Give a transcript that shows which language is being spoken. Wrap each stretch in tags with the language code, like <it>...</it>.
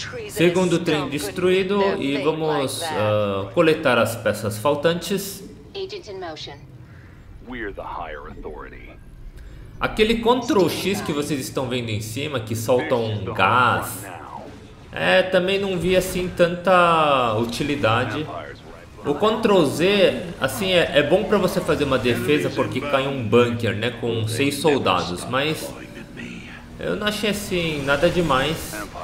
<pt>Segundo trem destruído e vamos coletar as peças faltantes.</pt> <en>Agent in motion. We're the higher authority.</en> <pt>Aquele Ctrl X que vocês estão vendo em cima, que solta um gás. É, também não vi assim tanta utilidade. O Ctrl Z, assim, é bom para você fazer uma defesa porque cai um bunker, né, com 6 soldados, mas eu não achei assim nada demais.</pt>